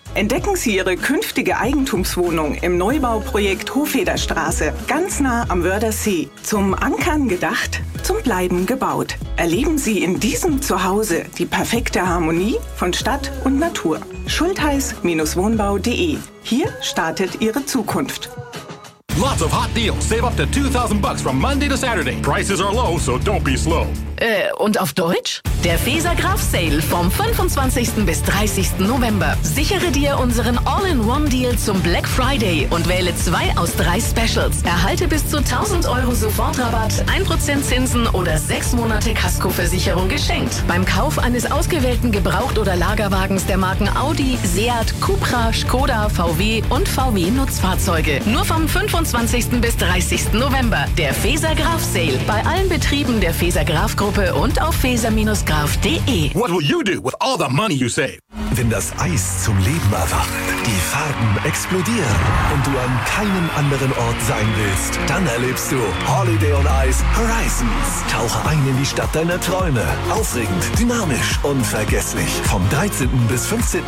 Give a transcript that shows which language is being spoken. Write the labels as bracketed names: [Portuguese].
[German] Entdecken Sie Ihre künftige Eigentumswohnung im Neubauprojekt Hofederstraße, ganz nah am Wörthersee. Zum Ankern gedacht, zum Bleiben gebaut. Erleben Sie in diesem Zuhause die perfekte Harmonie von Stadt und Natur. Schultheiß-wohnbau.de. Hier startet Ihre Zukunft. [English] Lots of hot deals. Save up to 2,000 bucks from Monday to Saturday. Prices are low, so don't be slow. [German] Und auf Deutsch? Der Feser-Graf-Sale vom 25. bis 30. November. Sichere dir unseren All-in-One-Deal zum Black Friday und wähle 2 aus 3 Specials. Erhalte bis zu 1.000 Euro Sofortrabatt, 1% Zinsen oder 6 Monate Kaskoversicherung geschenkt. Beim Kauf eines ausgewählten Gebraucht- oder Lagerwagens der Marken Audi, Seat, Cupra, Skoda, VW und VW-Nutzfahrzeuge. Nur vom 25. bis 30. November. Der Feser-Graf-Sale. Bei allen Betrieben der Feser-Graf Gruppe und auf feser-graf.de. [English] What will you do with all the money you save? [German] Wenn das Eis zum Leben erwacht, die Farben explodieren und du an keinem anderen Ort sein willst, dann erlebst du Holiday on Ice Horizons. Tauche ein in die Stadt deiner Träume. Aufregend, dynamisch, unvergesslich. Vom 13. bis 15.